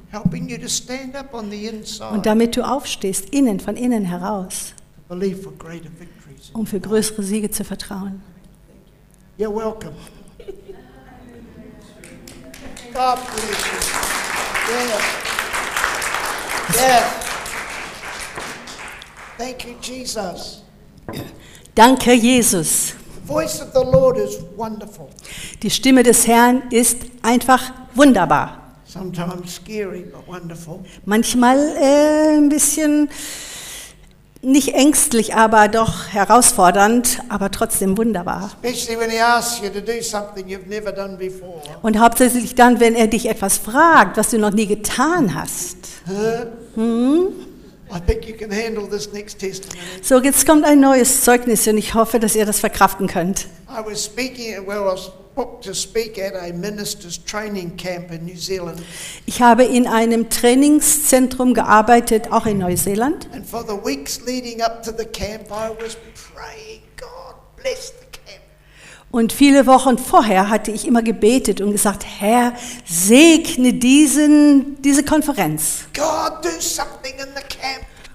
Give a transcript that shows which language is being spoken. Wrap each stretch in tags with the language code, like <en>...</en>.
<en>Helping you to stand up on the inside.</en> <de>Und damit du aufstehst, innen, von innen heraus.</de> <en>To believe for greater victories.</en> <de>Um für größere Siege zu vertrauen.</de> <en>You're welcome. God bless you. Yeah. Yeah. Thank you, Jesus.</en> <de>Danke, Jesus.</de> <en>The voice of the Lord is wonderful.</en> <de>Die Stimme des Herrn ist einfach wunderbar.</de> <en>Sometimes scary, but wonderful.</en> <de>Manchmal ein bisschen nicht ängstlich, aber doch herausfordernd, aber trotzdem wunderbar.</de> <en>Especially when he asks you to do something you've never done before.</en> <de>Und hauptsächlich dann, wenn er dich etwas fragt, was du noch nie getan hast.</de> <en>I think you can handle this next testimony.</en> <de>So, jetzt kommt ein neues Zeugnis und ich hoffe, dass ihr das verkraften könnt.</de> <en>I was speaking at, well, I was booked to speak at a minister's training camp in New Zealand.</en> <de>Ich habe in einem Trainingszentrum gearbeitet, auch in Neuseeland.</de> <en>And for the weeks leading up to the camp, I was praying, God bless the camp.</en> <de>Und viele Wochen vorher hatte ich immer gebetet und gesagt, Herr, segne diese Konferenz.</de> <en>God, do something in the camp.</en>